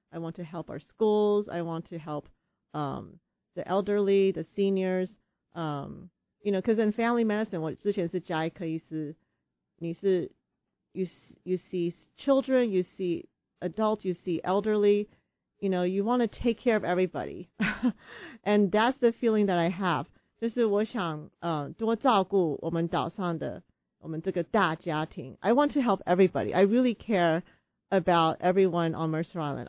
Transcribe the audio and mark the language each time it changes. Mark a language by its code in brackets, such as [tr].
[en] I want to help our schools. I want to help the elderly, the seniors. You know, because in family medicine, [zh] 我之前是家医科医师，你是 [en] you see children, you see adults, you see elderly. You know, you want to take care of everybody. And that's the feeling that I have. [zh] 就是我想多照顾我们岛上的我们这个大家庭。 [en] I want to help everybody. I really care about everyone on Mercer Island.